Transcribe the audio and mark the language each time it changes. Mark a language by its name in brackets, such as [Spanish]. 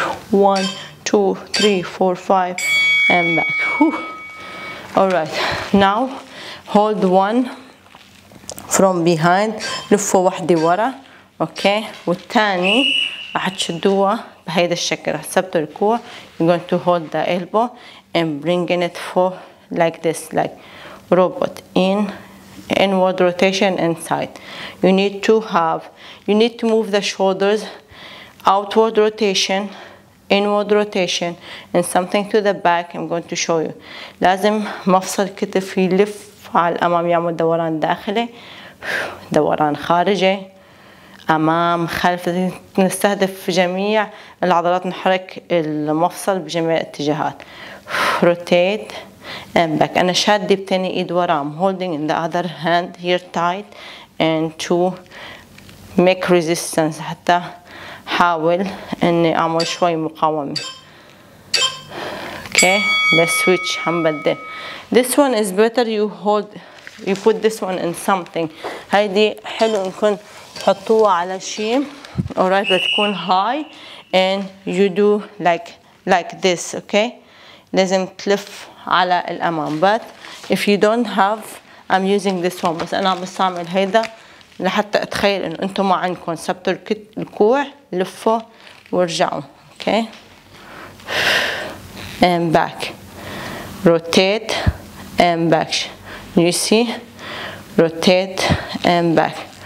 [English] 1, 2, 3, 4, 5 and back. Whew. Alright, now hold one from behind. [Arabic] لفوا واحدة ورا. Okay, والتاني رح تشدوها بهيدا الشكل. رح تثبتوا الكوع. [English] You're going to hold the elbow and bringing it for like this, like robot. In, inward rotation inside. You need to have, you need to move the shoulders, outward rotation, inward rotation and something to the back. I'm going to show you. [Arabic] لازم مفصل كتف يلف على الأمام، يعمل دوران داخلي، دوران خارجي، أمام، خلف. نستهدف جميع العضلات، نحرك المفصل بجميع الاتجاهات. [English] Rotate and back. [Arabic] أنا شادي بتاني إيد ورا. [English] I'm holding in the other hand here tight and to make resistance. [Arabic] حتى حاول اني اعمل شوي مقاومة. [English] Okay, let's switch. [Arabic] حنبدل. [English] This one is better you hold, you put this one in something. [Arabic] هيدي حلو انكم تحطوها على شيء. [English] Alright, [Arabic] بتكون [English] high and you do like this. [Arabic] Okay, لازم تلف على الامام. [English] But if you don't have, I'm using this one. [Arabic] بس انا عم بستعمل هيدا لحتى اتخيل انه انتم ما عندكم. ثبتوا الكوع، لفوا ورجعوا. [English] Okay, arm back, rotate arm back. You see, rotate arm back.